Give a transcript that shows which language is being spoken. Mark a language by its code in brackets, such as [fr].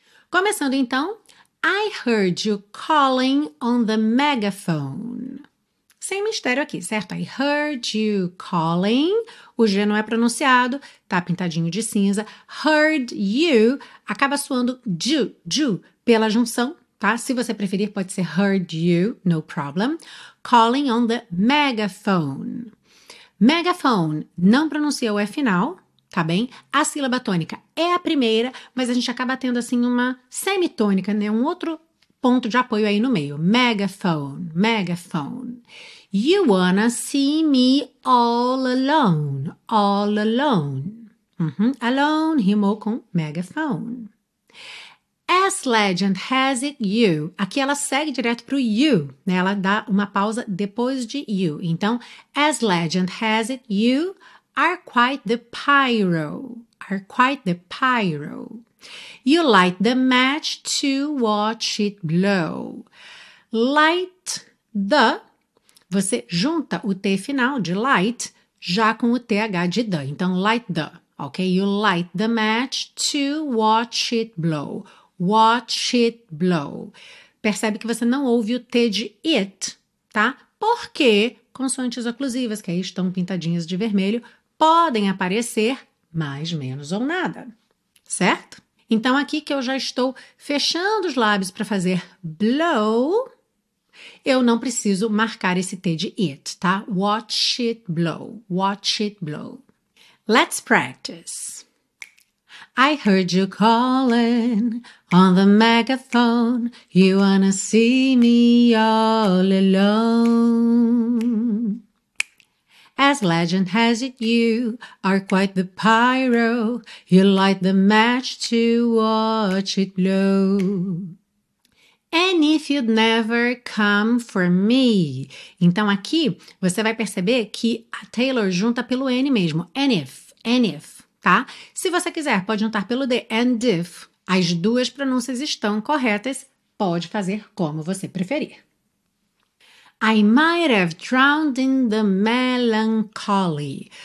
[pt] Começando então, [en] I heard you calling on the megaphone. [pt] Sem mistério aqui, certo? [en] I heard you calling. [pt] O G não é pronunciado, tá pintadinho de cinza. Heard you acaba soando ju, pela junção, tá? Se você preferir, pode ser heard you, [en] no problem. Calling on the megaphone. [pt] Megaphone não pronuncia o E final, tá bem? A sílaba tônica é a primeira, mas a gente acaba tendo assim uma semitônica, né? Um outro ponto de apoio aí no meio. [en] Megaphone, megaphone. You wanna see me all alone, all alone. Alone [pt] rimou com [en] megaphone. As legend has it, you. [pt] Aqui ela segue direto para o you, né? Ela dá uma pausa depois de you. Então, [en] as legend has it, you are quite the pyro. Are quite the pyro. You light the match to watch it blow. Light the. [pt] Você junta o T final de light já com o TH de the. Então, light the, ok? [en] You light the match to watch it blow. Watch it blow. [pt] Percebe que você não ouve o T de it, tá? Porque consoantes oclusivas, que aí estão pintadinhas de vermelho, podem aparecer mais, menos ou nada, certo? Então, aqui que eu já estou fechando os lábios para fazer blow, eu não preciso marcar esse T de it, tá? [en] Watch it blow. Watch it blow. Let's practice. I heard you calling on the megaphone. You wanna see me all alone. As legend has it, you are quite the pyro. You light the match to watch it blow. And if you'd never come for me. [pt] Então aqui você vai perceber que a Taylor junta pelo N mesmo. And if. Tá? Se você quiser, pode juntar pelo the and if. As duas pronúncias estão corretas, pode fazer como você preferir. [en] I might have drowned in the melancholy.